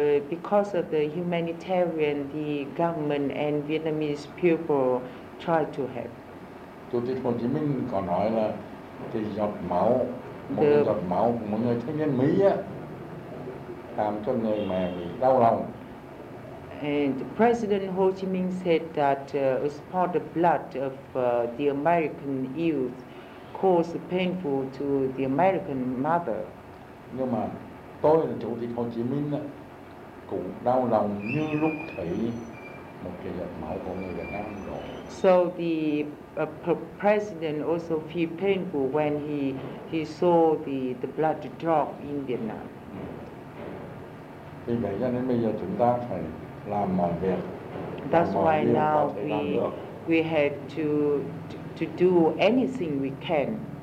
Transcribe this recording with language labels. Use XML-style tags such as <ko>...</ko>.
<en>Because of the humanitarian, the government and Vietnamese people try to help.</en> <vi>Chủ tịch Hồ Chí Minh còn nói là cái giọt máu, một giọt máu của một người thanh niên Mỹ á, làm cho người mẹ bị đau lòng.</vi> <en>And President Ho Chi Minh said that a spot of blood of the American youth caused painful to the American mother.</en> <vi>Nhưng mà tôi là chủ tịch Hồ Chí Minh á, cũng đau lòng như lúc thấy một cái giọt máu của người Việt Nam rồi.</vi> <en>So the president also feel painful when he saw the blood drop in Vietnam.</en> <vi>Vì vậy cho nên bây giờ chúng ta phải làm mọi việc.</vi> <en>That's why now we have to do anything we can.</en>